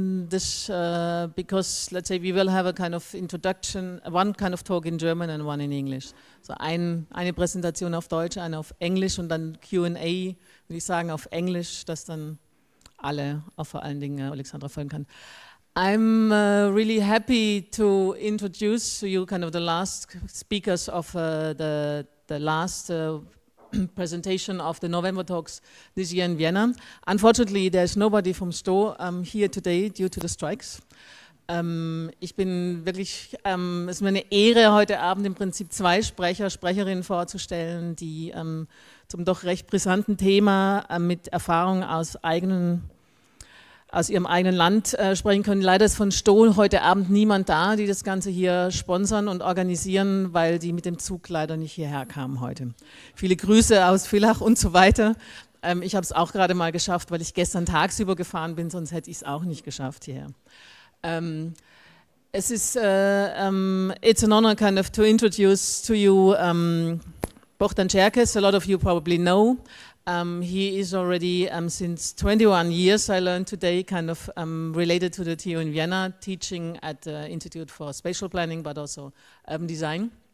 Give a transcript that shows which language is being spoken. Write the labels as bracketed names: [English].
[English] Because let's say we will have a kind of introduction, one kind of talk in German and one in English. [German] So eine Präsentation auf Deutsch, eine auf Englisch und dann Q&A, würde ich sagen, auf Englisch, dass dann alle, auch vor allen Dingen Oleksandra folgen kann. [English] I'm really happy to introduce to you kind of the last speakers of the last presentation of the November talks this year in Vienna. Unfortunately, there's nobody from Sto here today due to the strikes. [German] Ich bin wirklich, es ist mir eine Ehre, heute Abend im Prinzip zwei Sprecher, Sprecherinnen vorzustellen, die zum doch recht brisanten Thema mit Erfahrung aus ihrem eigenen Land sprechen können. Leider ist von Sto heute Abend niemand da, die das Ganze hier sponsern und organisieren, weil die mit dem Zug leider nicht hierher kamen heute. Viele Grüße aus Villach und so weiter. Ich habe es auch gerade mal geschafft, weil ich gestern tagsüber gefahren bin, sonst hätte ich es auch nicht geschafft hierher. [English] It's an honor kind of to introduce to you Bohdan Cherkes. A lot of you probably know. He is already, since 21 years, I learned today, kind of related to the TU in Vienna, teaching at the Institute for Spatial Planning, but also Urban Design.